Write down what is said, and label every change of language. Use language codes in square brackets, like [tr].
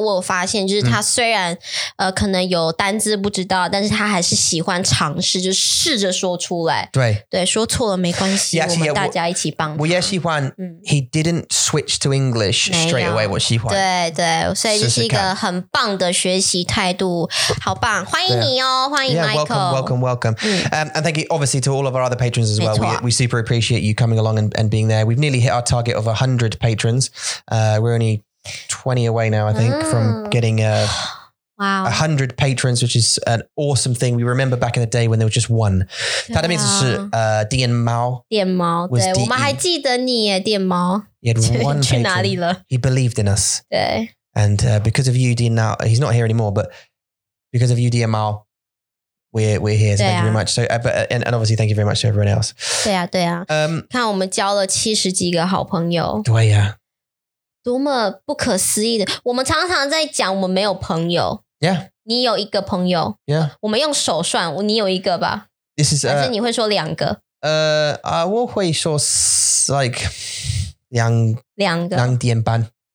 [zh] 我有发现，就是他虽然可能有单字不知道，但是他还是喜欢尝试，就试着说出来。对，说错了没关系，我们大家一起帮他。我也喜欢。 [en] He didn't switch to English straight away. [zh] 我喜欢。对对，所以这是一个很棒的学习态度，好棒！欢迎你哦，欢迎 Michael。 [en] Welcome, welcome, welcome. And thank you, obviously, to all of our other patrons as well. We super appreciate you coming along and being there. We've nearly hit our target of 100 patrons. We're only 20 away now, I think, from getting a. Wow. 100 patrons, which is an awesome thing. We remember back in the day when there was just one. That means it's Dian Mao. [zh] Dian Mao. Was D-E. 我们还记得你耶, Dian Mao. [en] He had one patron. [zh] 去哪里了? [en] He believed in us. [zh] 对。 [en] And because of you, Dian Mao, he's not here anymore, but because of you, Dian Mao, we're here. So thank you very much. So, and obviously, thank you very much to everyone else. [zh] 对啊,对啊。看我们交了七十几个好朋友。对啊。多么不可思议的！我们常常在讲，我们没有朋友。 [en] Yeah， [zh] 你有一个朋友。 [en] Yeah， [zh] 我们用手算，你有一个吧 [en] ？This is [zh] 还是你会说两个？我会说 like 两个两点半，